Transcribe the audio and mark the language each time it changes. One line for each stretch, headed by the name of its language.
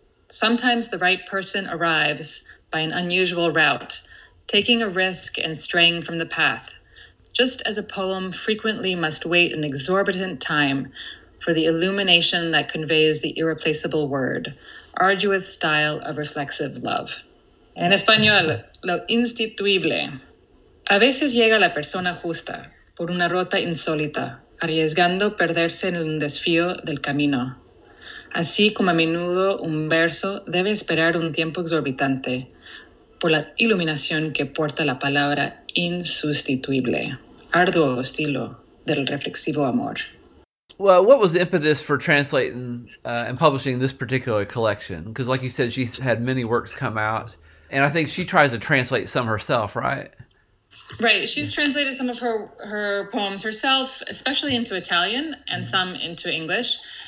English: Sometimes the right person arrives by an unusual route, taking a risk and straying from the path, just as a poem frequently must wait an exorbitant time for the illumination that conveys the irreplaceable word, arduous style of reflexive love.
Spanish: En español, lo instituible. A veces llega la persona justa por una ruta insólita, arriesgando perderse en un desvío del camino. Así como a menudo un verso debe esperar un tiempo exorbitante, por la iluminación que porta la palabra insustituible, arduo estilo del reflexivo amor.
English: Well, what was the impetus for translating and publishing this particular collection? Because like you said, she's had many works come out, and I think she tries to translate some herself, right? Right. She's translated some of her poems herself, especially into Italian and some into English.